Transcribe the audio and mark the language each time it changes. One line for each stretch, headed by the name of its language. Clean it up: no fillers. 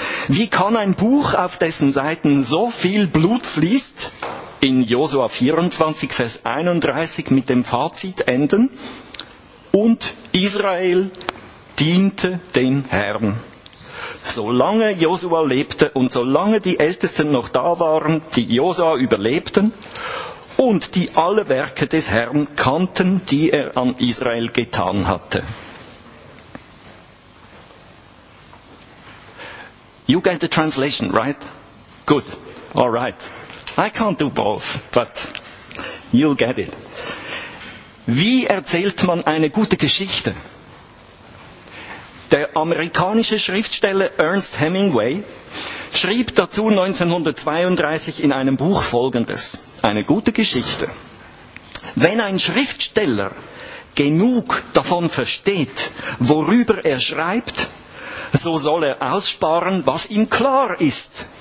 German: Wie kann ein Buch, auf dessen Seiten so viel Blut fließt, in Josua 24, Vers 31 mit dem Fazit enden: Und Israel diente dem Herrn. Solange Josua lebte und solange die Ältesten noch da waren, die Josua überlebten und die alle Werke des Herrn kannten, die er an Israel getan hatte.
English: You get the translation, right? Good. All right. I can't do both, but you'll get it.
German: Wie erzählt man eine gute Geschichte? Der amerikanische Schriftsteller Ernest Hemingway schrieb dazu 1932 in einem Buch Folgendes: Eine gute Geschichte. Wenn ein Schriftsteller genug davon versteht, worüber er schreibt, so soll er aussparen, was ihm klar ist.